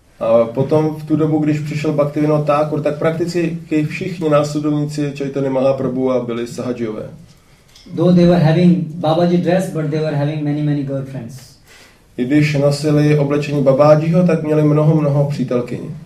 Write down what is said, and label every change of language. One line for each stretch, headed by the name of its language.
Czech: A potom v tu dobu, když přišel Bhaktivinoda Thakur, tak prakticky všichni následovníci Chaitanya Mahaprabhu byli sahajiyové.
English: Though they were having Babaji dress, but they were having many girlfriends.
Czech: I když nosili oblečení Babajiho, tak měli mnoho přítelkyní.